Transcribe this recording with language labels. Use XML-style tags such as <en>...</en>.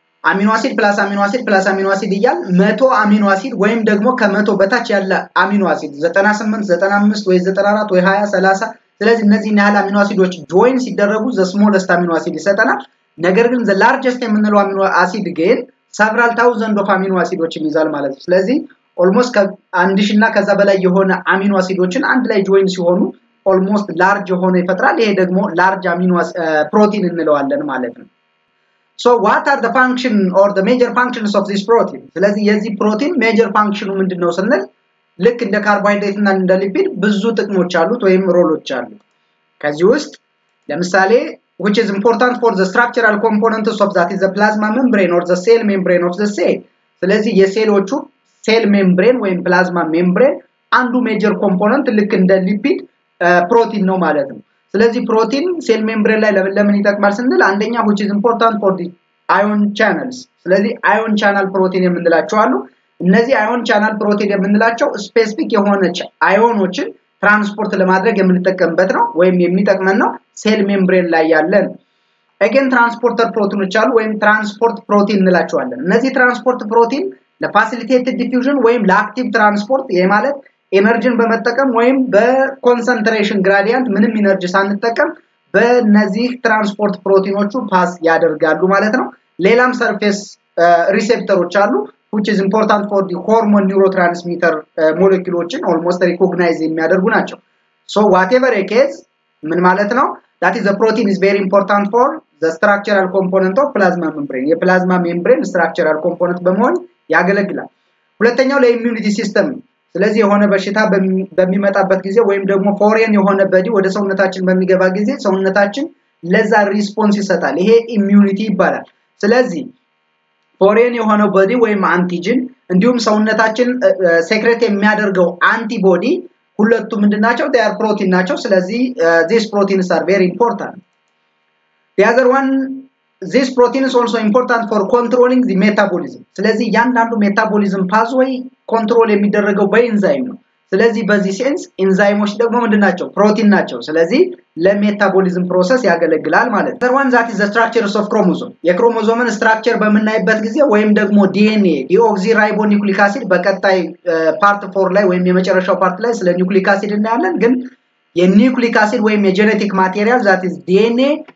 <am>አሚኖ አሲድ ፕላስ አሚኖ አሲድ ፕላስ አሚኖ አሲድ ይያል 100 አሚኖ አሲድ ወይም ደግሞ ከ100 በታች ያለ አሚኖ አሲድ 98 95 ወይ 94 ወይ 20 30 ስለዚህ እነዚህ ያለ አሚኖ አሲዶች ጆይን ሲደረጉ ዘ ስሞለስት አሚኖ አሲድ ይሰጠናል። ነገር ግን ዘ ላርጀስት የምንለው አሚኖ አሲድ ግን ሰቨራል ታውዘንድ ኦፍ አሚኖ አሲዶችን ይዛል ማለት ነው። ስለዚህ ኦልሞስት ከ1000 እና ከዛ በላይ የሆነ አሚኖ አሲዶችን አንድ ላይ ጆይን ሲሆኑ ኦልሞስት ላርጅ የሆነ ይፈጥራል። ይሄ ደግሞ ላርጅ አሚኖ ፕሮቲን እንለዋለን ማለት ነው።</am> <en>So what are the function or the major functions of this protein?</en> <am>ስለዚህ የዚህ ፕሮቲን major functionው ምንድነው ስንል ልክ እንደ ካርቦሃይድሬት እና እንደ ሊፒድ ብዙ ጥቅሞች አሉት ወይም ሮሎች አሉት። ከዚህ ውስጥ ለምሳሌ</am> <en>which is important for the structural components of that is the plasma membrane or the cell membrane of the cell.</en> <am>ስለዚህ የሴሎቹ cell membrane ወይም plasma membrane አንዱ major component ልክ እንደ ሊፒድ ፕሮቲን ነው ማለት ነው። ስለዚህ ፕሮቲን ሴል ሜምብሬን ላይ ለምን ይጠቅማል ስንል አንደኛ</am> <en>which is important for the ion channels.</en> <am>ስለዚህ ion channel protein የምንላቸው አሉ። እነዚህ ion channel protein የምንላቸው specific የሆነች ionዎችን ትራንስፖርት ለማድረግ የምንጠቀምበት ነው ወይም የሚጠቅመን ነው ሴል ሜምብሬን ላይ ያለን። again transporter proteinዎች አሉ ወይም transport protein እንላቸዋለን። እነዚህ transport protein the facilitated diffusion ወይም the active transport ይሄ ማለት ኤነርጂን በመጠቀም ወይም በኮንሰንትሬሽን ግራዲያንት ምንም ኤነርጂ ሳንጠቀም በነዚህ ትራንስፖርት ፕሮቲኖቹ ፓስ ያደርጋሉ ማለት ነው። ሌላም ሰርፌስ ሪሴፕተሮች አሉ</am> <en>which is important for the hormone neurotransmitter molecules almost recognize</en> <am>የሚያደርጉ ናቸው።</am> <en>so whatever it is</en> <am>ምን ማለት ነው?</am> <en>that is the protein is very important for the structural component of plasma membrane.</en> <am>የፕላዝማ membrane structural component በመሆን ያገለግላል። ሁለተኛው ለኢሚዩኒቲ ሲስተም ስለዚህ የሆነ በሽታ በሚመጣበት ጊዜ ወይም ደግሞ ፎሬን የሆነ በዲ ወደ ሰውነታችን በሚገባ ጊዜ ሰውነታችን ለዛ ሪስፖንስ ይሰጣል። ይሄ ኢሚዩኒቲ ይባላል። ስለዚህ ፎሬን የሆነ በዲ ወይም አንቲጂን እንዲሁም ሰውነታችን ሴክሬት የሚያደርገው አንቲቦዲ ሁለቱ ምንድናቸው?</am> <en>they are protein ናቸው።</en> <am>ስለዚህ</am> <en>these proteins are very important. the other one these proteins also important for controlling the metabolism.</en> <am>ስለዚህ ያንዳንዱ metabolism pathway control የሚደረገው በኢንዛይም ነው። ስለዚህ በዚህ ሴንስ ኢንዛይሞች ደግሞ ምንድናቸው? ፕሮቲን ናቸው። ስለዚህ ለሜታቦሊዝም ፕሮሰስ ያገለግላል ማለት ነው።</am> <en>ዋን ዛት ኢዝ ዘ ስትራክቸር ኦፍ ክሮሞዞም</en> <am>የክሮሞዞምን ስትራክቸር በመናይበት ጊዜ ወይም ደግሞ ዲኤንኤ ዲኦክሲራይቦኒውክሊክ አሲድ በቀጣይ ፓርት 4 ላይ ወይም የመጨረሻው ፓርት ላይ ስለ ኒውክሊክ አሲድ እናያለን። ግን የኒውክሊክ አሲድ ወይም የጄኔቲክ ማቴሪያል ዛት ኢዝ ዲኤንኤ</am>